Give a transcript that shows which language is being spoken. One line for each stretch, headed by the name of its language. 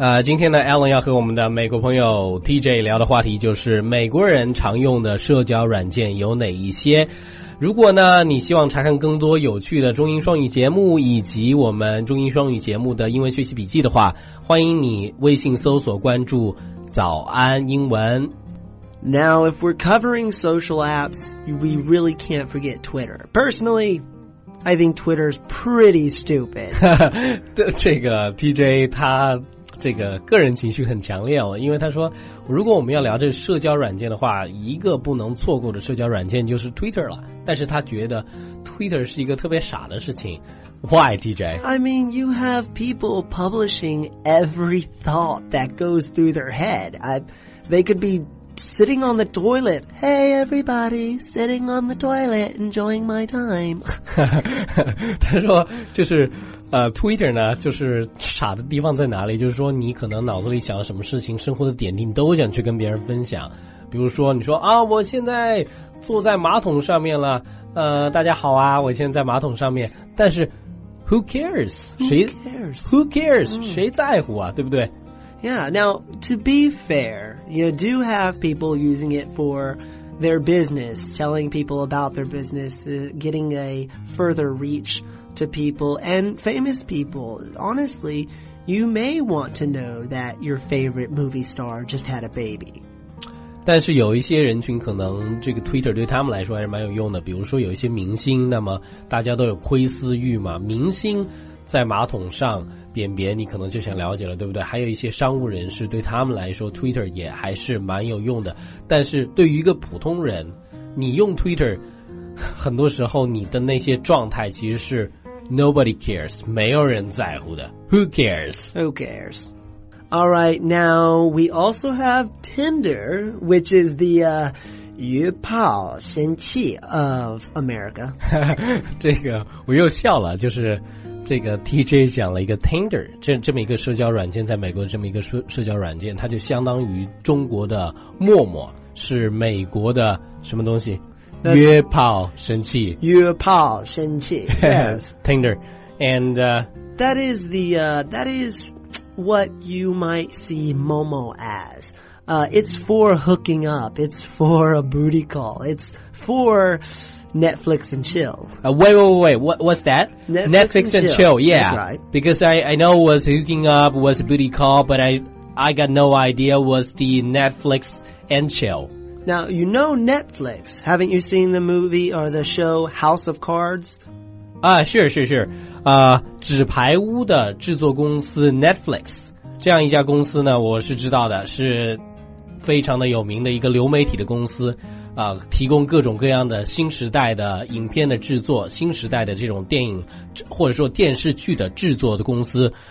Chinese: 今天呢 Alan 要和我们的美国朋友 TJ 聊的话题就是美国人常用的社交软件有哪一些。如果呢你希望查看更多有趣的中英双语节目以及我们中英双语节目的英文学习笔记的话，欢迎你微信搜索关注早安英文。
English: Now, if we're covering social apps, we really can't forget Twitter. Personally, I think Twitter's pretty stupid.
Chinese: 这个 TJ 他这个个人情绪很强烈哦，因为他说如果我们要聊这社交软件的话，一个不能错过的社交软件就是 Twitter 了。但是他觉得 Twitter 是一个特别傻的事情。
English: Why, TJ? I mean, you have people publishing every thought that goes through their head. They could be... Sitting on the toilet. Hey, everybody, sitting on the toilet, enjoying my time.
Chinese: 他说就是Twitter 呢就是傻的地方在哪里，就是说你可能脑子里想什么事情，生活的点滴都想去跟别人分享。比如说你说啊，我现在坐在马桶上面了，大家好啊，我现在在马桶上面，但是
English: who cares? Who cares?、 Mm.
Chinese: 谁在乎啊，对不对？
English: Yeah, now, to be fair, you do have people using it for their business, telling people about their business, getting a further reach to people and famous people. Honestly, you may want to know that your favorite movie star just had a baby.
Chinese: 但是有一些人群可能这个 Twitter 对他们来说还是蛮有用的，比如说有一些明星，那么大家都有窥私欲嘛，明星在马桶上便便你可能就想了解了，对不对？还有一些商务人士对他们来说 Twitter 也还是蛮有用的。但是对于一个普通人，你用 Twitter 很多时候你的那些状态其实是
English: Nobody cares,
Chinese: 没有人在乎的。
English: Who cares? Alright, now we also have Tinder, which is the,
Chinese: 约炮神器
English: of America.
Chinese: 这个我又笑了，就是这个 TJ 讲了一个 Tinder, 这么一个社交软件，在美国这么一个社交软件，它就相当于中国的陌陌，是美国的什么东西？约炮神器。约炮神器。
English: Yes. Tinder. And, That is what you might see Momo as. It's for hooking up. It's for a booty call. It's for Netflix and chill. Wait. What's that? Netflix and chill. Yeah. That's right. Because I know it was hooking up, was a booty call, but I got no idea was the Netflix and chill. Now, you know Netflix. Haven't you seen the movie or the show House of Cards? Sure.
Chinese: 纸牌屋的制作公司 Netflix, 这样一家公司呢我是知道的，是非常的有名的一个流媒体的公司。提供各种各样的新时代的影片的制作，新时代的这种电影或者说电视剧的制作的公司。